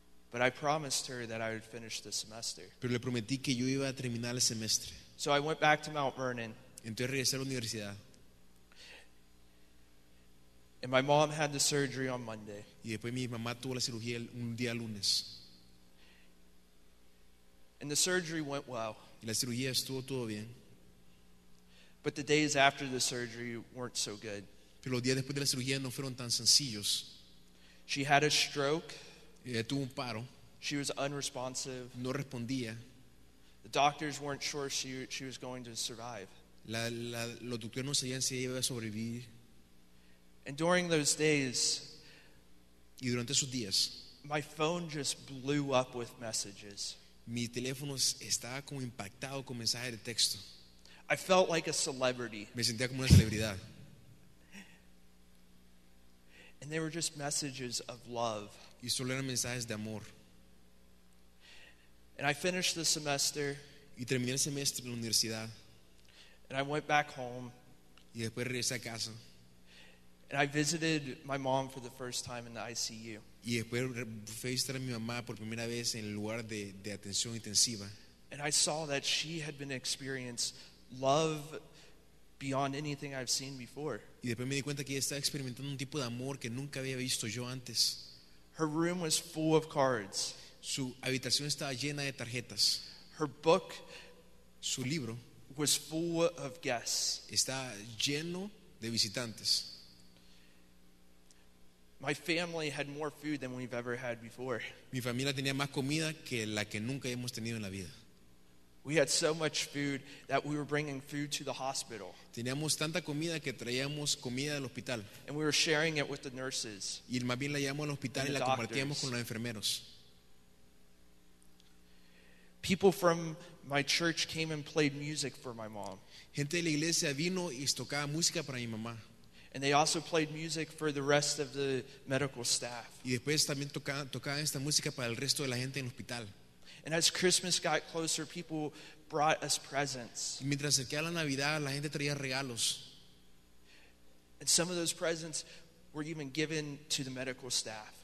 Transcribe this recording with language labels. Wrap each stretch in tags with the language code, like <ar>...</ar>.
<en>But I promised her that I would finish the semester.</en> <es>Pero le prometí que yo iba a terminar el semestre.</es> <en>So I went back to Mount Vernon.</en> <es>Entonces regresé a la universidad.</es> <en>And my mom had the surgery on Monday.</en> <es>Y después mi mamá tuvo la cirugía un día lunes.</es> <en>And the surgery went well.</en> <es>Y la cirugía estuvo todo bien.</es> <en>But the days after the surgery weren't so good.</en> <es>Pero los días después de la cirugía no fueron tan sencillos.</es> <en>She had a stroke.</en> <es>Ella tuvo un paro.</es> <en>She was unresponsive.</en> <es>No respondía.</es> <en>The doctors weren't sure she was going to survive.</en> <es>Los doctores no sabían si ella iba a sobrevivir.</es> <en>And during those days,</en> <es>y durante esos días,</es> <en>my phone just blew up with messages.</en> <es>Mi teléfono estaba como impactado con mensajes de texto.</es> <en>I felt like a celebrity.</en> <es>Me sentía como una celebridad.</es> <en>And they were just messages of love.</en> <es>Y solo eran mensajes de amor.</es> <en>And I finished the semester.</en> <es>Y terminé el semestre en la universidad.</es> <en>And I went back home.</en> <es>Y después regresé a casa.</es> <en>And I visited my mom for the first time in the ICU.</en> <es>Y después fui a visitar a mi mamá por primera vez en el lugar de atención intensiva.</es> <en>And I saw that she had been experiencing love beyond anything I've seen before.</en> <es>Y después me di cuenta que ella estaba experimentando un tipo de amor que nunca había visto yo antes.</es> <en>Her room was full of cards.</en> <es>Su habitación estaba llena de tarjetas.</es> <en>Her book,</en> <es>su libro,</es> <en>was full of guests.</en> <es>Estaba lleno de visitantes.</es> <en>My family had more food than we've ever had before.</en> <es>Mi familia tenía más comida que la que nunca hemos tenido en la vida.</es> <en>We had so much food that we were bringing food to the hospital.</en> <es>Teníamos tanta comida que traíamos comida del hospital.</es> <en>And we were sharing it with the nurses.</en> <es>Y más bien la llevamos al hospital y la compartíamos con los enfermeros.</es> <en>People from my church came and played music for my mom.</en> <es>Gente de la iglesia vino y tocaba música para mi mamá.</es> <en>And they also played music for the rest of the medical staff.</en> <es>Y después también tocaba esta música para el resto de la gente en el hospital.</es> <en>And as Christmas got closer, people brought us presents.</en> <es>Y mientras se acercaba la Navidad, la gente traía regalos.</es> <en>And some of those presents were even given to the medical staff.</en>